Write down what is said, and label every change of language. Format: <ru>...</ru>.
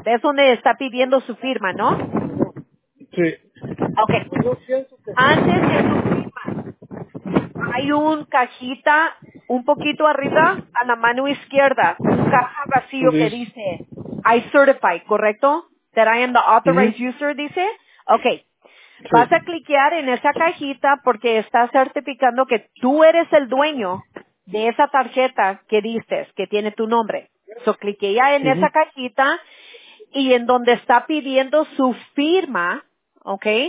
<es>¿Ves dónde está pidiendo su firma, no? Sí. Ok. Antes de su firma, hay un cajita un poquito arriba a la mano izquierda, un caja vacío que dice,</es> <en>I certify,</en> <es>¿correcto?</es> <en>That I am the authorized user,</en> <es>dice. Ok. Sí. Vas a cliquear en esa cajita porque está certificando que tú eres el dueño de esa tarjeta que dices, que tiene tu nombre. So, cliquea en esa cajita y en donde está pidiendo su firma, ¿ok?</es>